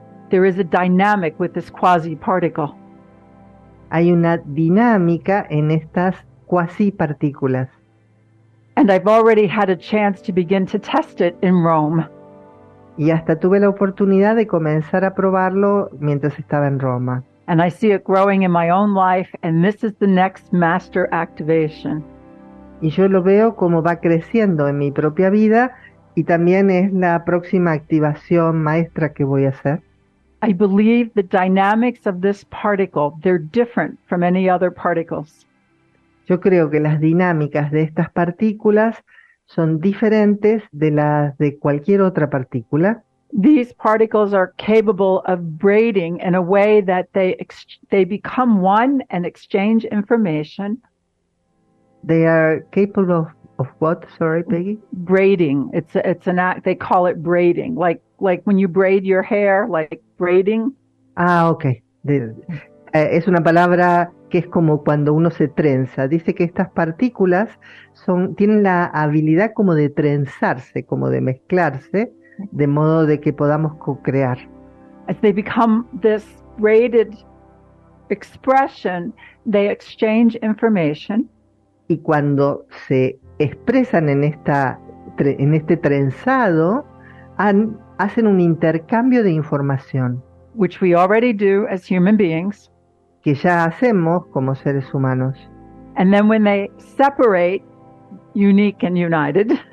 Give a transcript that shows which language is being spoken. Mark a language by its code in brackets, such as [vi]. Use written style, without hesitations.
[en] There is a dynamic with this quasi particle. [es] Hay una dinámica en estas cuasi partículas. [en] And I've already had a chance to begin to test it in Rome. [es] Y hasta tuve la oportunidad de comenzar a probarlo mientras estaba en Roma. [en] And I see it growing in my own life, and this is the next master activation. [es] Y yo lo veo como va creciendo en mi propia vida y también es la próxima activación maestra que voy a hacer. [en] I believe the dynamics of this particle, they're different from any other particles. [es] Yo creo que las dinámicas de estas partículas son diferentes de las de cualquier otra partícula. [en] These particles are capable of braiding in a way that they become one and exchange information. They are capable of what? Sorry, Peggy. Braiding. It's an act. They call it braiding. Like when you braid your hair, like braiding. Ah, okay. [es] Es una palabra que es como cuando uno se trenza. Dice que estas partículas tienen la habilidad como de trenzarse, como de mezclarse, de modo de que podamos co-crear. [en] As they become this braided expression, they exchange information. [es] Y cuando se expresan en este trenzado, hacen un intercambio de información. [en] Which we already do as human beings. [es] Que ya hacemos como seres humanos. [en] And then when they separate, unique and united.